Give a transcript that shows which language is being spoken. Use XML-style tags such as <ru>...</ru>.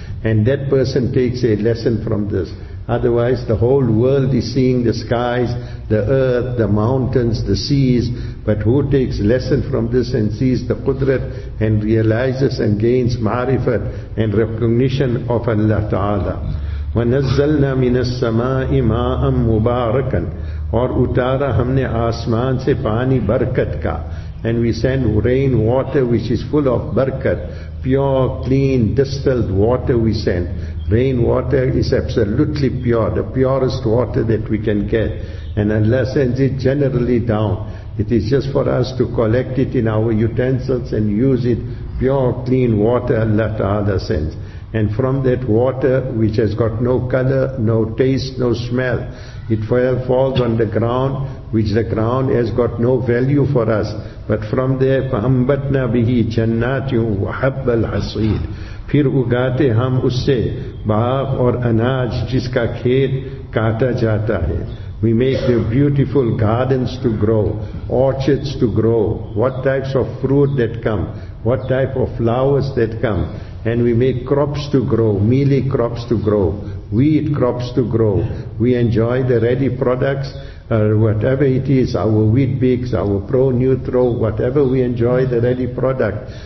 <en>And that person takes a lesson from this. Otherwise, the whole world is seeing the skies, the earth, the mountains, the seas. But who takes lesson from this and sees the qudrat and realizes and gains ma'rifat and recognition of Allah Ta'ala?</en> <ar>وَنَزَّلْنَا مِنَ السَّمَاءِ مَاءً مُبَارَكًا</ar> <ur>اور اتارا ہم نے آسمان سے پانی برکت کا.</ur> <en>And we send rain water which is full of barakat. Pure, clean, distilled water we send. Rain water is absolutely pure, the purest water that we can get. And Allah sends it generally down. It is just for us to collect it in our utensils and use it. Pure, clean water Allah Ta'ala sends. And from that water, which has got no color, no taste, no smell, it falls on the ground, which the ground has got no value for us. But from there,</en> <ar>فَأَمْبَتْنَا بِهِ جَنَّاتٍ وَحَبَّ الْحَصِيدِ</ar> <ur>پھر اگاتے ہم اس سے باغ اور اناج جس کا کھیت کاٹا جاتا ہے.</ur> <en>We make the beautiful gardens to grow, orchards to grow, what types of fruit that come, what type of flowers that come. And we make crops to grow, mealy crops to grow, wheat crops to grow. We enjoy the ready products, whatever it is, our wheat bakes, our pro-neutro, whatever, we enjoy the ready product.</en>